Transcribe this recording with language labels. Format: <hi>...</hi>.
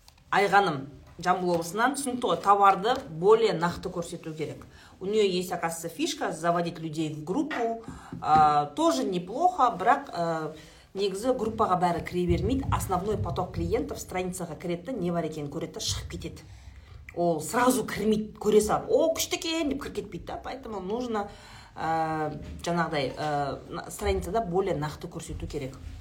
<kk>Айғаным Жамбыл облысынан. Түсінікті ғой, товарды более нақты көрсету керек.</kk> <ru>У нее есть, оказывается, фишка заводить людей в группу. Тоже неплохо,</ru> <kk>бірақ негізі группаға бәрі кіре бермейді.</kk> <ru>Основной поток клиентов</ru> <kk>страницаға кіретті, не бар екенін көретті, шығып кетеді. Ол сразу кірмейді, көре салып, о, күшті екен деп кіріп кетпейді. Да?</kk> <ru>Поэтому нужно</ru> <kk>жаңағыдай страницада более нақты көрсету керек.</kk>